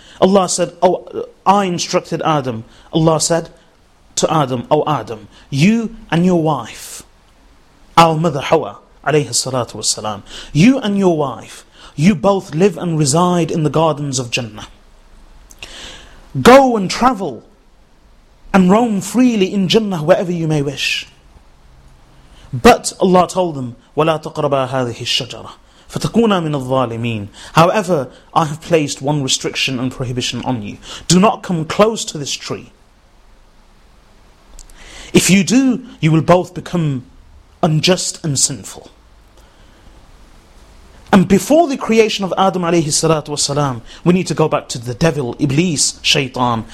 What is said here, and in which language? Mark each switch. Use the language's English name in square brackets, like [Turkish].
[English] Allah said, Allah said to Adam, O Adam, you and your wife, our mother Hawa, عليه الصلاة والسلام, you and your wife, you both live and reside in the gardens of Jannah. Go and travel and roam freely in Jannah wherever you may wish. But Allah told them, [Arabic] وَلَا تَقْرَبَا هَذِهِ الشَّجَرَةِ فَتَكُونَا مِنَ الظَّالِمِينَ. [English] However, I have placed one restriction and prohibition on you. Do not come close to this tree. If you do, you will both become unjust and sinful. And before the creation of Adam alayhi salatu wasalam, we need to go back to the devil, Iblis, Shaytan.